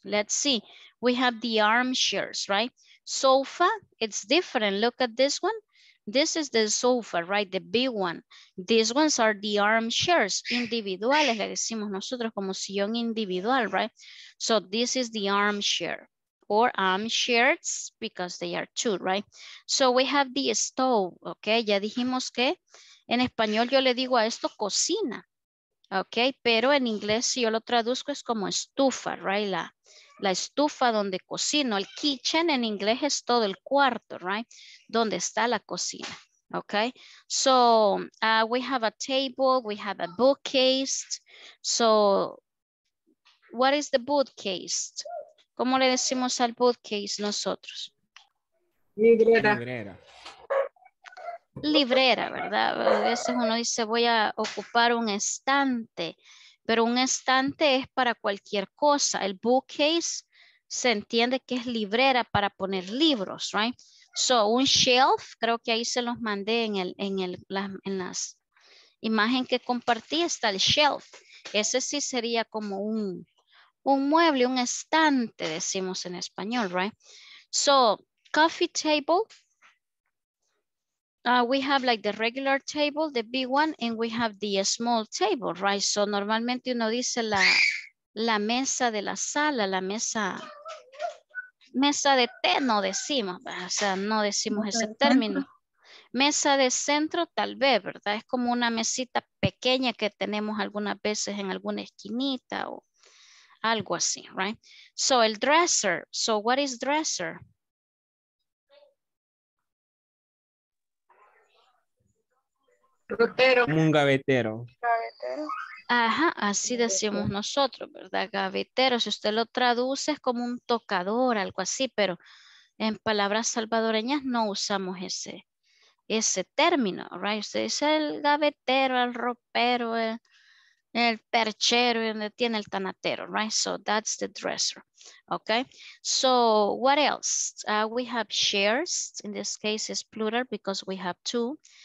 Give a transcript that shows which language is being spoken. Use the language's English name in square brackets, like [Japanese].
[English] Let's see, we have the armchairs, right? Sofa, it's different. Look at this one. This is the sofa, right? The big one. These ones are the armchairs, [Spanish] individuales, le decimos nosotros como sillón individual, [English] right? So this is the armchair or armchairs because they are two, right? So we have the stove, okay? [Spanish] Ya dijimos que en español yo le digo a esto cocina, okay? Pero en inglés si yo lo traduzco es como estufa, right? La estufa donde cocino, el kitchen en inglés es todo el cuarto, right? Donde está la cocina, [English] okay? So, we have a table, we have a bookcase. So, what is the bookcase? [Spanish] ¿Cómo le decimos al bookcase nosotros? Librera. Librera. Librera, ¿verdad? A veces uno dice, voy a ocupar un estante. Pero un estante es para cualquier cosa. El bookcase se entiende que es librera para poner libros, right? So, un shelf, creo que ahí se los mandé en las imagen que compartí, está el shelf. Ese sí sería como un mueble, un estante, decimos en español, right? [English] So, coffee table. We have like the regular table, the big one, and we have the small table, right? [Spanish] So normalmente uno dice la mesa de la sala, la mesa de té, no decimos, o sea, no decimos ese término. Mesa de centro, tal vez, ¿verdad? Es como una mesita pequeña que tenemos algunas veces en alguna esquinita o algo así, right? [English] So el dresser, so what is dresser? [Spanish] Rotero. Un gavetero. Ajá, así decimos nosotros, ¿verdad? Gavetero, si usted lo traduce es como un tocador, algo así, pero en palabras salvadoreñas no usamos ese término, ¿right? Usted dice el gavetero, el ropero, el perchero, donde tiene el tanatero, ¿right? [English] So that's the dresser, ¿ok? So what else? We have chairs, in this case it's plural because we have two.